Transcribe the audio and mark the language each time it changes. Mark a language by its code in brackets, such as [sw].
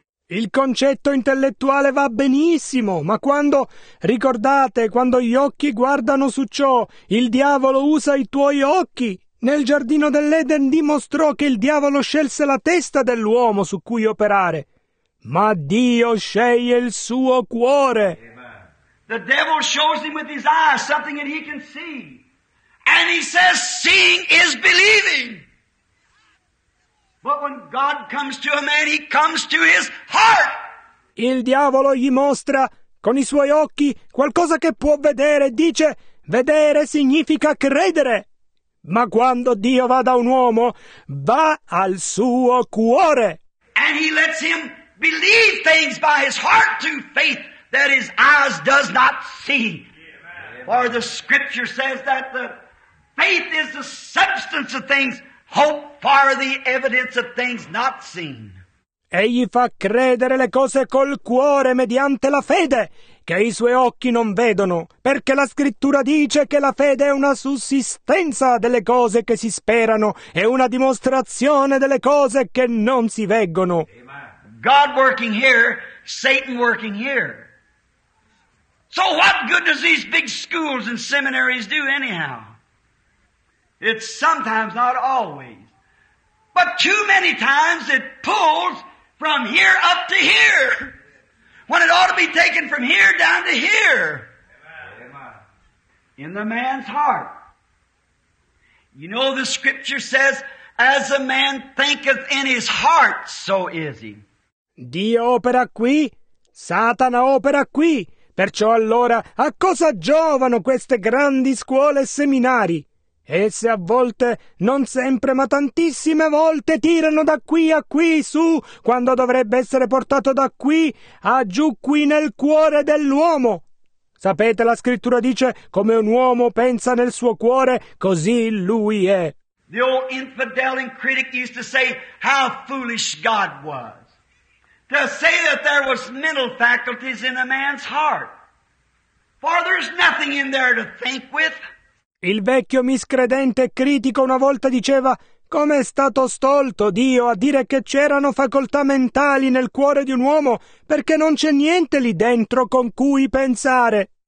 [it] Il concetto intellettuale va benissimo, ma quando, ricordate, quando gli occhi guardano su ciò, il diavolo usa i tuoi occhi. Nel giardino dell'Eden dimostrò che il diavolo scelse la testa dell'uomo su cui operare. Ma Dio sceglie il suo cuore. Amen. [en] The devil shows him with his eyes something that he can see. And he says, seeing is believing. But when God comes to a man, he comes to his heart. [it] Il diavolo gli mostra con i suoi occhi qualcosa che può vedere. Dice, vedere significa credere. Ma quando Dio va da un uomo, va al suo cuore. [en] And he lets him believe things by his heart to faith that his eyes does not see. Amen. For the scripture says that the faith is the substance of things hoped for, the evidence of things not seen. [it] Egli fa credere le cose col cuore mediante la fede che i suoi occhi non vedono, perché la scrittura dice che la fede è una sussistenza delle cose che si sperano e una dimostrazione delle cose che non si vedono. [en] God working here, Satan working here. So what good does these big schools and seminaries do anyhow? It's sometimes, not always. But too many times it pulls from here up to here, when it ought to be taken from here down to here. Amen. In the man's heart. You know the scripture says, as a man thinketh in his heart, so is he. [it] Dio opera qui, Satana opera qui, perciò allora a cosa giovano queste grandi scuole e seminari? Esse a volte, non sempre, ma tantissime volte tirano da qui a qui su, quando dovrebbe essere portato da qui a giù qui nel cuore dell'uomo. Sapete, la scrittura dice, come un uomo pensa nel suo cuore, così lui è. [en] The old infidel and critic used to say how foolish God was. To say that there was mental faculties in a man's heart. For there's nothing in there to think with. [it] Il vecchio miscredente critico una volta diceva, come è stato stolto Dio a dire che c'erano facoltà mentali nel cuore di un uomo, perché non c'è niente lì dentro con cui pensare.